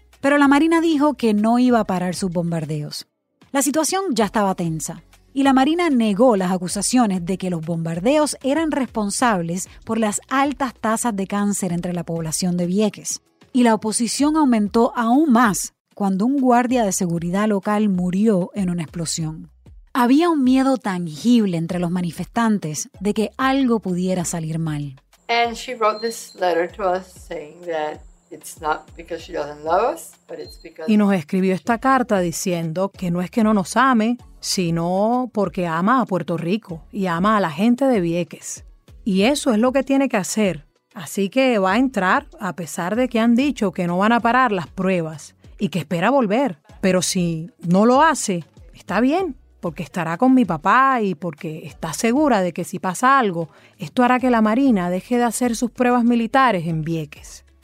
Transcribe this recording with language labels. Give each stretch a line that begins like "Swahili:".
Spanish: Pero la Marina dijo que no iba a parar sus bombardeos. La situación ya estaba tensa y la Marina negó las acusaciones de que los bombardeos eran responsables por las altas tasas de cáncer entre la población de Vieques. Y la oposición aumentó aún más cuando un guardia de seguridad local murió en una explosión. Había un miedo tangible entre los manifestantes de que algo pudiera salir mal.
English: And she wrote this letter to us saying that it's not because she doesn't love us, but it's because...
Spanish: Y nos escribió esta carta diciendo que no es que no nos ame, sino porque ama a Puerto Rico y ama a la gente de Vieques. Y eso es lo que tiene que hacer. Así que va a entrar, a pesar de que han dicho que no van a parar las pruebas y que espera volver. Pero si no lo hace, está bien, porque estará con mi papá y porque está segura de que si pasa algo, esto hará que la Marina deje de hacer sus pruebas militares en Vieques.